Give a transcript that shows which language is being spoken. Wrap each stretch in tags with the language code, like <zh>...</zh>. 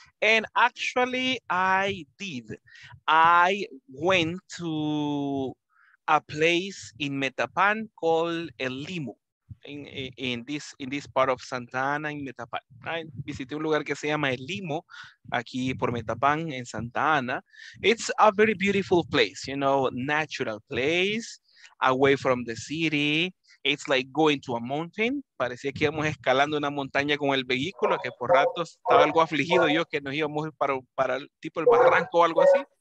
<en>And actually, I did. I went to a place in Metapan called El Limo, in this part of Santa Ana, in Metapan. I visited</en> <es>un lugar que se llama El Limo, aquí por Metapan, en Santa Ana.</es> <en>It's a very beautiful place, you know, natural place, away from the city. It's like going to a mountain.</en> <es>Parecía que íbamos escalando una montaña con el vehículo, que por ratos estaba algo afligido yo, que nos íbamos para tipo el barranco o algo así.</es>